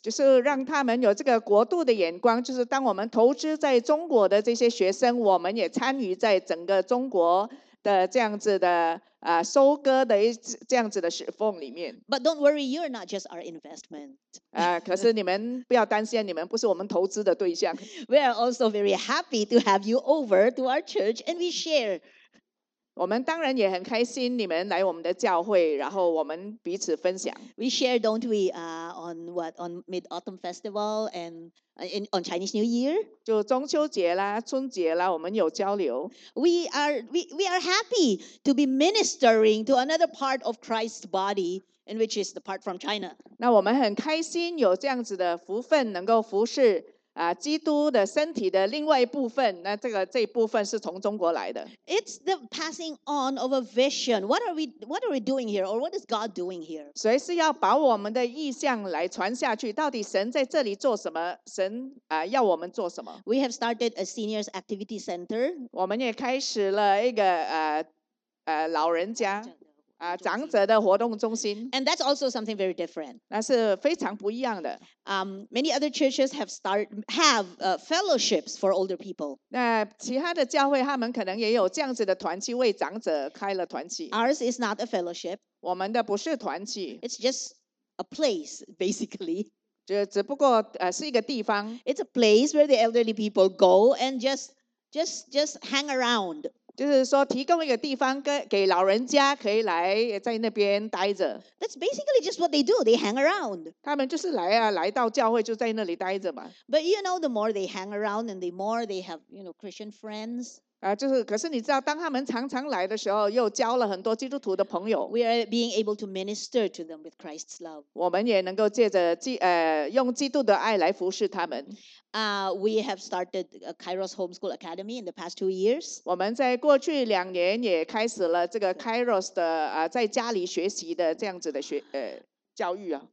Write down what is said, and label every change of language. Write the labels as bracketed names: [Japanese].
[Chinese] 就是让他们有这个国度的眼光，就是当我们投资在中国的这些学生，我们也参与在整个中国的这样子的收割的这样子的石缝里面。 [English] But don't worry, you're not just our investment. [Chinese] 可是你们不要担心，你们不是我们投资的对象。 [English] We are also very happy to have you over to our church and we share. [Chinese] 我们当然也很开心你们来我们的教会，然后我们彼此分享。 [English] We share, don't we, on Mid-Autumn Festival and on Chinese New Year? [Chinese] 就中秋节啦，春节啦，我们有交流。 [English] We are happy to be ministering to another part of Christ's body, and which is the part from China. [Chinese] 那我们很开心有这样子的福分，能够服侍基督的身体的另外一部分，那这一部分是从中国来的。 [English] It's the passing on of a vision. What are we doing here, or what is God doing here? [Chinese] 所以是要把我们的意向来传下去。到底神在这里做什么？神要我们做什么 [English] ？We have started a seniors activity center. [Chinese] 我们也开始了一个老人家。长者的活动中心。 [English] And that's also something very different. [Chinese] 那是非常不一样的。 [English] Many other churches have fellowships for older people. [Chinese] 那其他的教会他们可能也有这样子的团契，为长者开了团契。 [English] Ours is not a fellowship. [Chinese] 我们的不是团契。 [English] It's just a place, basically. [Chinese] 就只不过是一个地方。 [English] It's a place where the elderly people go and just hang around. [Chinese] 就是说提供一个地方给老人家可以来在那边待着。 [English] That's basically just what they do. They hang around. [Chinese] 他们就是来啊，来到教会就在那里待着嘛。 [English] But you know, the more they hang around and the more they have, you know, Christian friends. [Chinese] 就是可是你知道当他们常常来的时候又交了很多基督徒的朋友。 [English] We are being able to minister to them with Christ's love. [Chinese] 我们也能够借着用基督的爱来服侍他们。 [English] We have started a Kairos Homeschool Academy in the past 2 years. [Chinese] 我们在过去两年也开始了这个 Kairos 的在家里学习的这样子的教育啊。